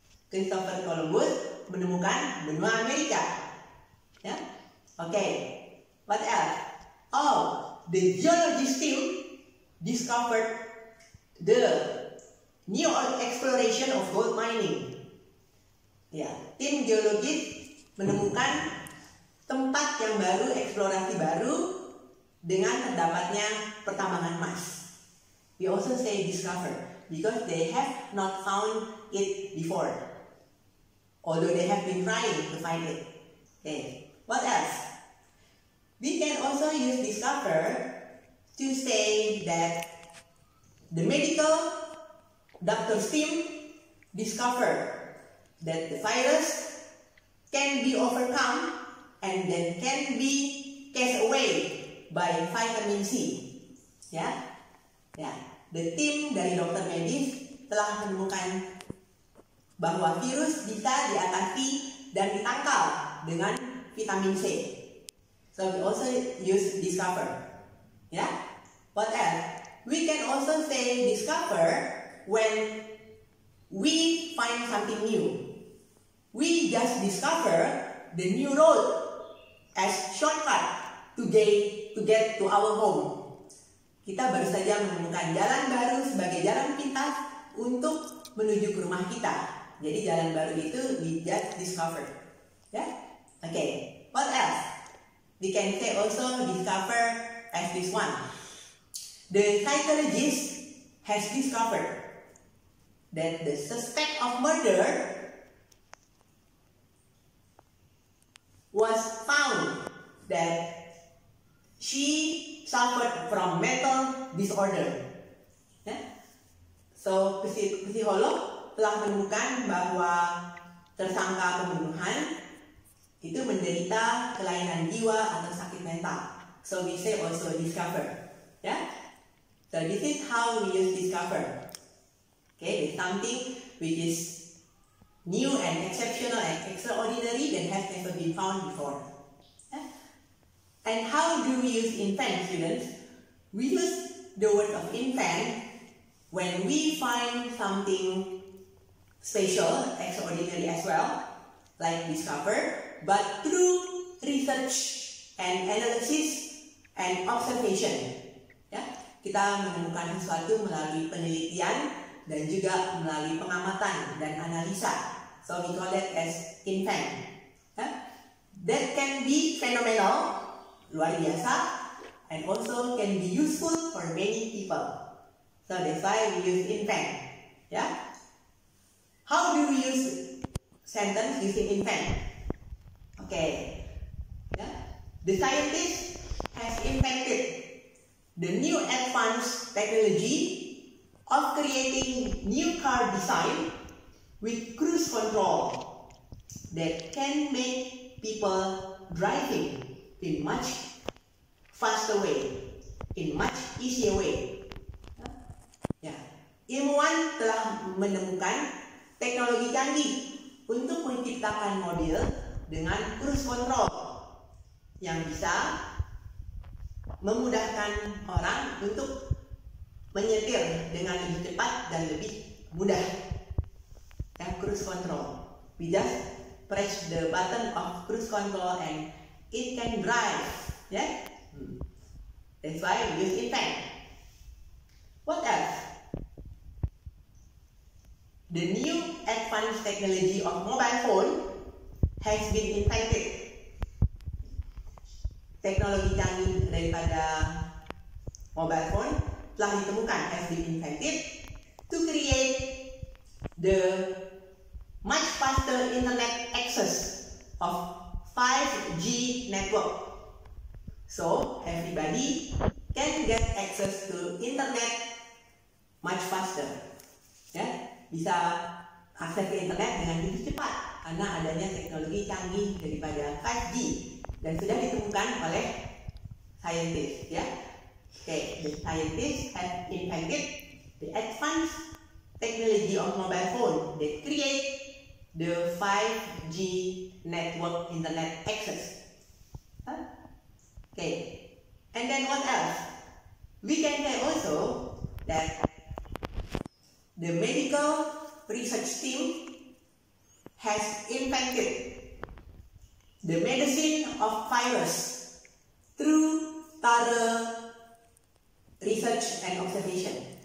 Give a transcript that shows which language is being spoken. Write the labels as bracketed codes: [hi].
[id] Christopher Columbus menemukan benua Amerika. [en] Yeah? Okay. What else? Oh, the geologist team discovered the new exploration of gold mining. Yeah. [id] Tim geologis menemukan tempat yang baru, eksplorasi baru dengan terdapatnya pertambangan emas. [en] We also say discover because they have not found it before. Although they have been trying to find it. Okay. What else? We can also use discover to say that the medical doctor's team discovered that the virus can be overcome and then can be cast away by vitamin C. Yeah? Yeah. The team [id] dari dokter medis telah menemukan bahwa virus bisa diatasi dan ditangkal dengan vitamin C. [en] So we also use discover. Yeah? What else? We can also say discover when we find something new. We just discover the new road as shortcut to get to our home. [id] Kita baru saja menemukan jalan baru sebagai jalan pintas untuk menuju ke rumah kita. Jadi jalan baru itu [en] we just discover. Yeah? Okay. What else? We can say also discover as this one. The psychologist has discovered that the suspect of murder was found that she suffered from mental disorder. Yeah? [id] So, psikolog telah menemukan bahwa tersangka pembunuhan itu menderita kelainan jiwa atau sakit mental. [en] So, we say also discover. Yeah? So, this is how we use discover. Okay, it's something which is new and exceptional and extraordinary that has never been found before. And how do we use infant, students? We use the word of infant when we find something special, extraordinary as well, like discover, but through research and analysis and observation. Yeah? [id] Kita menemukan sesuatu melalui penelitian dan juga melalui pengamatan dan analisa. [en] So we call it as infant. Yeah? That can be phenomenal, [id] luar biasa, [en] and also can be useful for many people. So that's why we use infant. Yeah? How do we use sentence using infant? Okay. Yeah? The scientist has invented the new advanced technology of creating new car design with cruise control that can make people driving in much faster way, in much easier way. Yeah. [id] Ilmuwan telah menemukan teknologi canggih untuk menciptakan mobil dengan cruise control yang bisa memudahkan orang untuk menyetir dengan lebih cepat dan lebih mudah. [en] Yeah, cruise control. We just press the button of cruise control and it can drive. Yeah? That's why we use infant. What else? The new advanced technology of mobile phone has been invented. [id] teknologi canggih daripada mobile phone telah ditemukan, [en] has been invented to create the much faster internet access of 5G network. So everybody can get access to internet much faster. [id] Ya, bisa akses ke internet dengan lebih cepat karena adanya teknologi canggih daripada 5G dan sudah ditemukan oleh scientist, ya. [en] Okay, the scientists have invented the advanced technology of mobile phone that create the 5G network internet access. Okay, and then what else? We can say also that the medical research team has invented the medicine of virus through thorough research and observation.